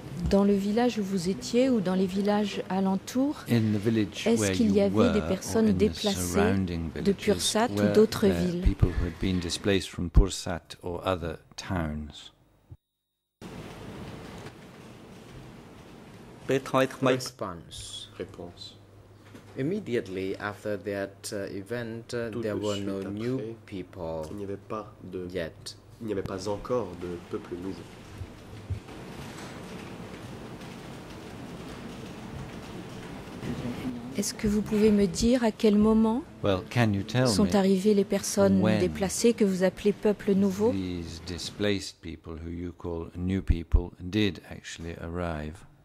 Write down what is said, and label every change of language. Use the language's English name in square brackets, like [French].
[French] Dans le village où vous étiez ou dans les villages alentours, est-ce qu'il y avait des personnes déplacées de Pursat ou d'autres villes? [English] People who had been displaced from Pursat or other towns. [French] Réponse. [English] Immediately after that event, there were no new people yet. [French] Il n'y avait pas encore de peuple nouveau. Est-ce que vous pouvez me dire à quel moment sont arrivées les personnes déplacées que vous appelez peuple nouveau? [English] These displaced people who you call new people did actually arrive.